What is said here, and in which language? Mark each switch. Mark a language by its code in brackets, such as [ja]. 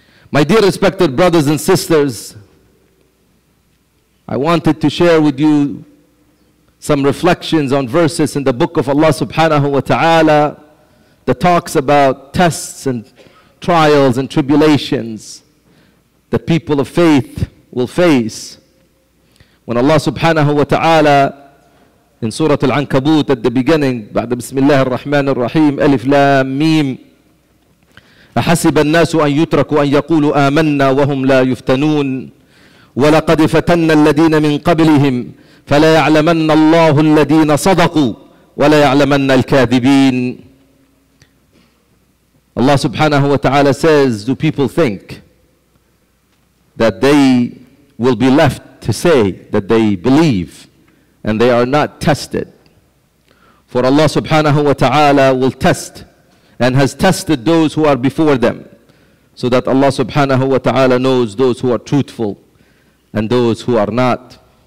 [en] My dear respected brothers and sisters, I wanted to share with you some reflections on verses in the book of Allah subhanahu wa ta'ala that talks about tests and trials and tribulations that people of faith will face. When Allah subhanahu wa ta'ala in Surah Al-Ankabut at the beginning, [ar] بعد بسم الله الرحمن الرحيم ألف لام ميم أحسب الناس أن يتركوا أن يقولوا آمنا وهم لا يفتنون ولقد فتنا الذين من قبلهم فلا يعلمن الله الذين صدقوا ولا يعلمن الكاذبين. [en] Allah subhanahu wa ta'ala says, do people think that they will be left to say that they believe and they are not tested? For Allah subhanahu wa ta'ala will test and has tested those who are before them, so that Allah subhanahu wa ta'ala knows those who are truthful and those who are not.